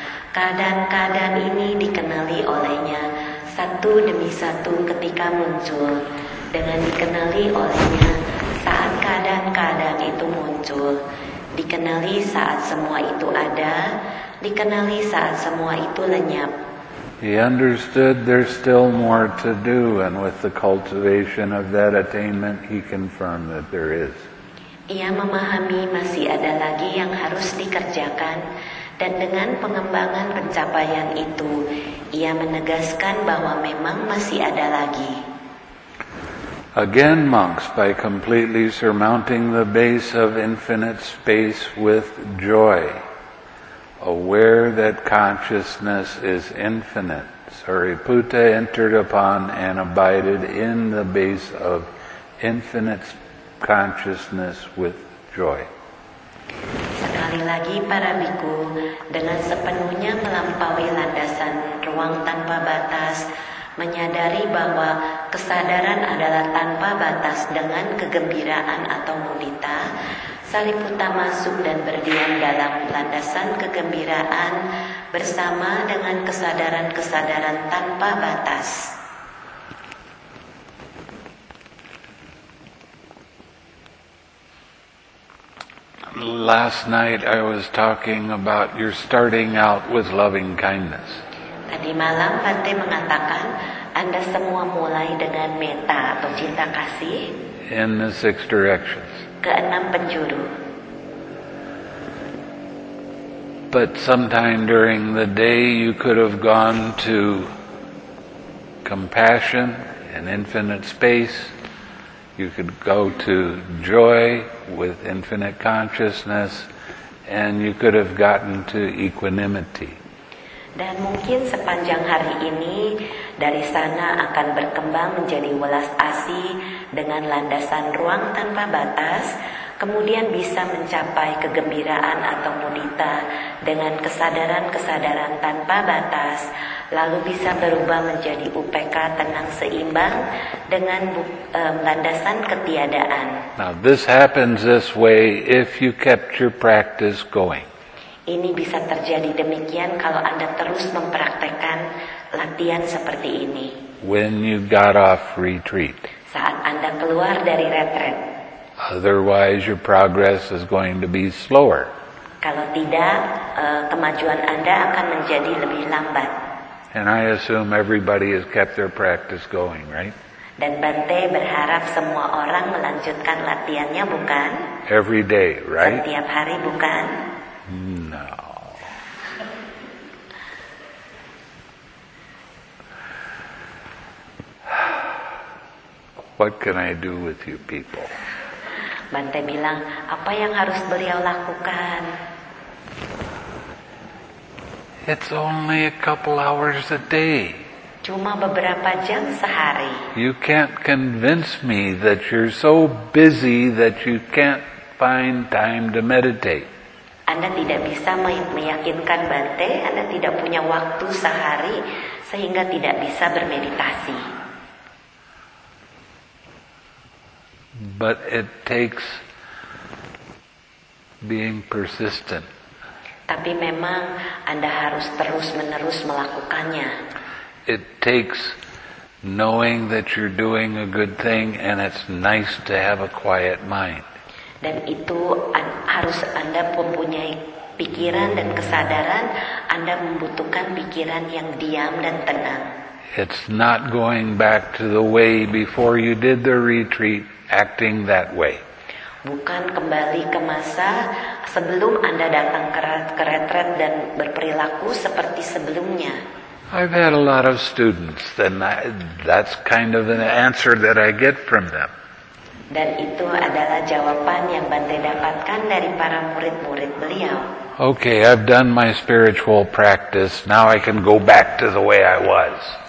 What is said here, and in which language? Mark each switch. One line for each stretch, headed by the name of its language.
Indonesian: Keadaan-keadaan ini dikenali olehnya. Satu demi satu ketika muncul, dengan dikenali olehnya saat keadaan-keadaan itu muncul, dikenali saat semua itu ada, dikenali saat semua itu lenyap.
English: He understood there's still more to do, and with the cultivation of that attainment, he confirmed that there is.
Indonesian: Ia memahami masih ada lagi yang harus dikerjakan, dan dengan pengembangan pencapaian itu, ia menegaskan bahwa memang masih ada lagi.
English: Again, monks, by completely surmounting the base of infinite space with joy, aware that consciousness is infinite, Sariputta entered upon and abided in the base of infinite consciousness with joy.
Indonesian: Sekali lagi para bhikkhu, dengan sepenuhnya melampaui landasan ruang tanpa batas, menyadari bahwa kesadaran adalah tanpa batas dengan kegembiraan atau mudita, Sariputta masuk dan berdiam dalam landasan kegembiraan bersama dengan kesadaran-kesadaran tanpa batas.
English: Last night I was talking about you're starting out with loving kindness.
Indonesian: Tadi malam Pante mengatakan Anda semua mulai dengan metta atau cinta kasih.
English: In the six directions.
Indonesian: Keenam penjuru.
English: But sometime during the day you could have gone to compassion and infinite space. You could go to joy with infinite consciousness, and you could have gotten to equanimity.
Indonesian: Dan mungkin sepanjang hari ini dari sana akan berkembang menjadi welas asih dengan landasan ruang tanpa batas, kemudian bisa mencapai kegembiraan atau mudita dengan kesadaran-kesadaran tanpa batas, lalu bisa berubah menjadi upeka tenang seimbang dengan landasan ketiadaan.
English: Now this happens this way if you kept your practice going.
Indonesian: Ini bisa terjadi demikian kalau Anda terus mempraktikkan latihan seperti ini.
English: When you got off retreat.
Indonesian: Saat Anda keluar dari retret.
English: Otherwise your progress is going to be slower.
Indonesian: Kalau tidak, kemajuan Anda akan menjadi lebih lambat.
English: And I assume everybody has kept their practice going, right?
Indonesian: Dan Bante berharap semua orang melanjutkan latihannya, bukan?
English: Every day, right?
Indonesian: Setiap hari, bukan?
English: No. What can I do with you people?
Indonesian: Bante bilang, apa yang harus beliau lakukan?
English: It's only a couple hours a day.
Indonesian: Cuma beberapa jam sehari.
English: You can't convince me that you're so busy that you can't find time to meditate.
Indonesian: Anda tidak bisa meyakinkan Bante, Anda tidak punya waktu sehari sehingga tidak bisa bermeditasi.
English: But it takes being persistent.
Indonesian: Tapi memang Anda harus terus-menerus melakukannya.
English: It takes knowing that you're doing a good thing and it's nice to have a quiet mind.
Indonesian: Dan itu harus Anda mempunyai pikiran dan kesadaran, Anda membutuhkan pikiran yang diam dan tenang.
English: It's not going back to the way before you did the retreat, acting that way.
Indonesian: Bukan kembali ke masa sebelum Anda datang ke retret dan berperilaku seperti sebelumnya.
English: I've had a lot of students, and that's kind of an answer that I get from them.
Indonesian: Dan itu adalah jawaban yang Bante dapatkan dari para murid-murid beliau.
English: Okay, I've done my spiritual practice. Now I can go back to the way I was.